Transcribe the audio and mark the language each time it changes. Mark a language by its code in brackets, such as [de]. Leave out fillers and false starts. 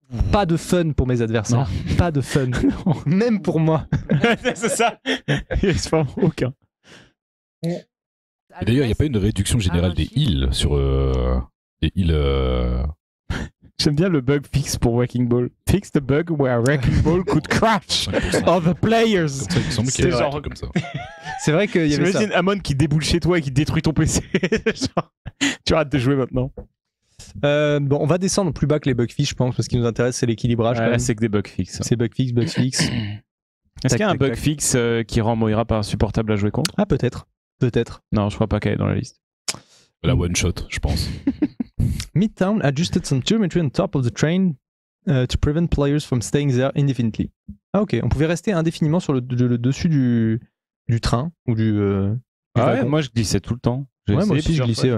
[fr] Pas de fun pour mes adversaires. Non. Pas de fun. Même pour moi. C'est ça. Il n'y a pas aucun. Et d'ailleurs, il n'y a pas une réduction générale des heals sur des heals. J'aime bien le bug fixe pour Wrecking Ball. [en] Fix the bug where Wrecking Ball could crash all the players. [fr] Comme ça, il semble qu'il y ait un truc comme ça. C'est vrai qu'il y avait ça. J'imagine Amon qui déboule chez toi et qui détruit ton PC. Tu arrêtes de jouer maintenant. Bon, on va descendre plus bas que les bug fixes, je pense, parce qu'il nous intéresse, c'est l'équilibrage. Ouais, c'est que des bug fixes. C'est bug fixe. Est-ce qu'il y a un bug fixe qui rend Moira pas insupportable à jouer contre? Ah, peut-être. Peut-être. Non, je crois pas qu'elle est dans la liste. La one shot, je pense. [en] Midtown adjusted some geometry on top of the train to prevent players from staying there indefinitely. [fr] Ah ok, on pouvait rester indéfiniment sur le dessus du train ou du ah ouais, moi je glissais tout le temps. J'ai ouais, moi aussi je glissais, ouais.